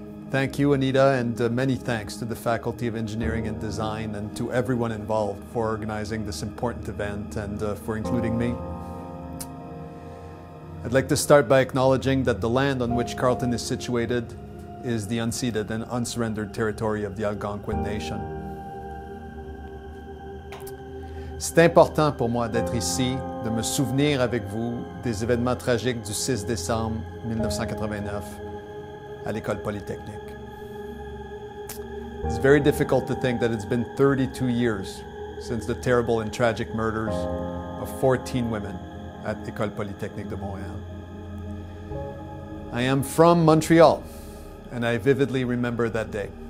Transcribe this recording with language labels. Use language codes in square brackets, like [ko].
[en] Thank you, Anita, and many thanks to the Faculty of Engineering and Design and to everyone involved for organizing this important event and for including me. I'd like to start by acknowledging that the land on which Carleton is situated is the unceded and unsurrendered territory of the Algonquin Nation. [fr] C'est important pour moi d'être ici, de me souvenir avec vous des événements tragiques du 6 décembre 1989 à l'École Polytechnique. [en] It's very difficult to think that it's been 32 years since the terrible and tragic murders of 14 women at École Polytechnique de Montréal. I am from Montreal, and I vividly remember that day.